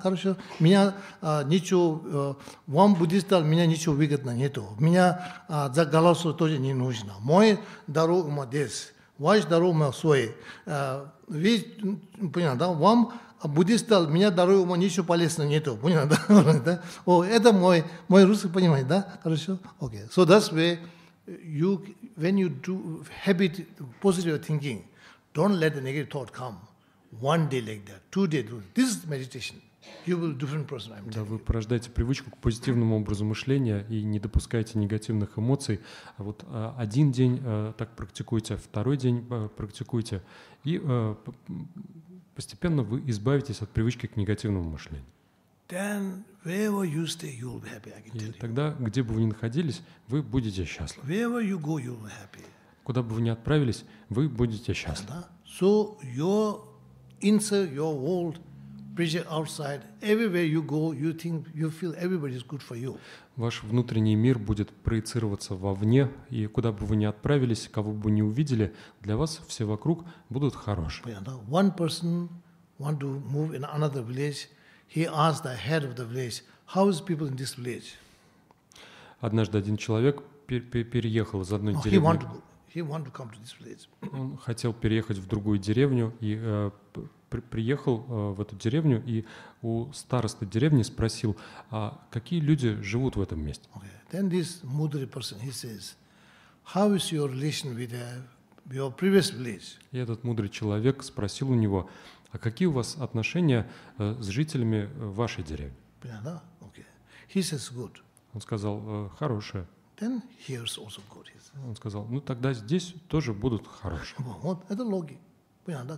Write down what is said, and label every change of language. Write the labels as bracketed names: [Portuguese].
[Russian] Короче, меня ничего, вам буддистам, меня ничего выгодно нету. Меня за голосу тоже не нужно. Мой здоровый ума здесь. Ваш здоровый ума свой. Вы, понял, да? Вам буддист стал, меня здоровый ума ничего полезного нету. Понял, да? Да? О, это мой русский понимание, да? Хорошо? [English] Okay. So that's why you, when you do habit, positive thinking, don't let the negative thought come. One day like that, two days. This is meditation. You will different person, I'm telling you. [Russian] Да, вы порождаете привычку к позитивному образу мышления и не допускаете негативных эмоций. Вот один день так практикуете, второй день практикуете, и постепенно вы избавитесь от привычки к негативному мышлению. [English] Then wherever you stay, you will be happy, I can tell you. [Russian] И тогда, где бы вы ни находились, вы будете счастливы. [English] Wherever you go, you will be happy. [Russian] Куда бы вы ни отправились, вы будете счастливы. [English] So your inside, your world, present outside, everywhere you go, you think, you feel everybody is good for you. [Russian] Ваш внутренний мир будет проецироваться вовне, и куда бы вы ни отправились, кого бы ни увидели, для вас все вокруг будут хорошие. [English] One person want to move in another village, he asked the head of the village, how is people in this village? [Russian] Однажды один человек переехал из одной деревни. [English] He want to come to this village. [Russian] Он хотел переехать в другую деревню и приехал в эту деревню и у староста деревни спросил, а какие люди живут в этом месте? [English] Okay. Then this mudri person, he says, how is your relation with your previous village? [Russian] И этот мудрый человек спросил у него, а какие у вас отношения с жителями вашей деревни? [English] Yeah, no? Okay. He says, good. [Russian] Он сказал, хорошее. [English] Then here's also good. [Russian] Он сказал, ну тогда здесь тоже будут хорошие. Вот это логика. Понятно, да?